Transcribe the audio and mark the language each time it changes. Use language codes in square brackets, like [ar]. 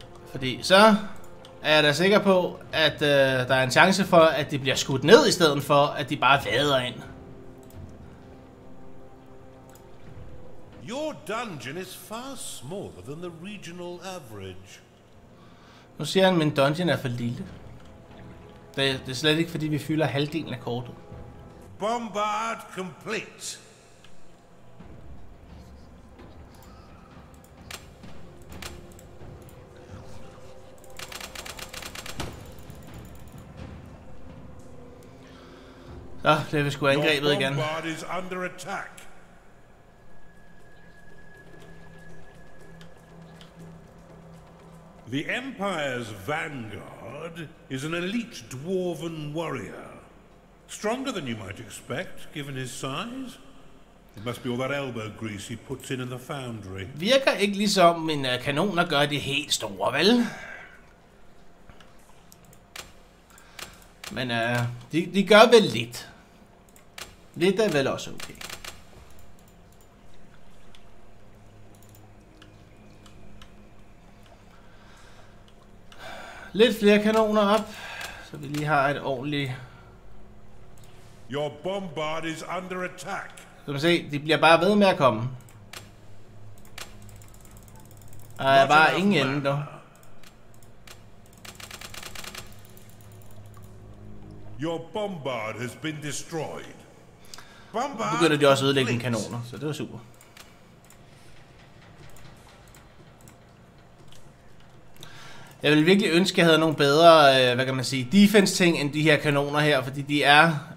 [da] Fordi så er jeg da sikker på, at der er en chance for, at de bliver skudt ned i stedet for, at de bare vader ind. [en] Your dungeon is far smaller than the regional average. [da] Nu siger han, at min dungeon er for lille. Det er slet ikke, fordi vi fylder halvdelen af kortet. [en] Bombard complete. [da] Så blev vi sgu angrebet igen. [en] Your bombard is under attack. The Empire's vanguard is an elite dwarven warrior. Stronger than you might expect, given his size. It must be all that elbow grease he puts in the foundry. [da] Virker ikke ligesom en kanon at gøre det helt store, vel? Men de gør vel lidt. Lidt er vel også okay. Lidt flere kanoner op, så vi lige har et ordentligt. [en] Your bombard is under attack. [da] Så man ser, de bliver bare ved med at komme. Der er bare ingen ende nu. [en] Your bombard has been destroyed. [da] Bombard. Nu begynder de også at ødelægge en kanoner, så det var super. Jeg ville virkelig ønske, at jeg havde nogle bedre, hvad kan man sige, defense-ting end de her kanoner her, fordi de er...